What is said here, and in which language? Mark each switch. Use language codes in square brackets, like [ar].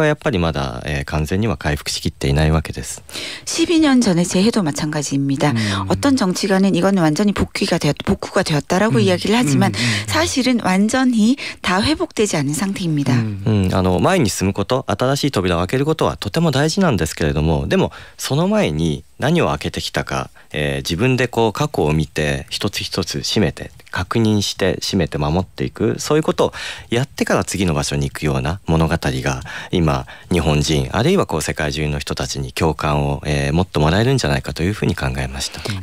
[ja] 12年前の震災も同じですね。復興が終わったというふうに優勢時間もいたけれども、でも実際はやっぱりまだ完全には回復しきっていないわけです。 [ko] 12년 전의 재해도 마찬가지입니다. 어떤 정치가는 이거는 완전히 복구가 되었다라고 이야기를 하지만 사실은 완전히 다 회복되지 않은 상태입니다. [ja] 前に進むこと、新しい扉を開けることはとても大事なんですけれども、でもその前に何を開けてきたか、自分で過去を見て一つ一つ閉めて確認して締めて守っていく、そういうことをやってから次の場所に行くような物語が今日本人あるいはこう世界中の人たちに共感を、もっともらえるんじゃないかというふうに考えました。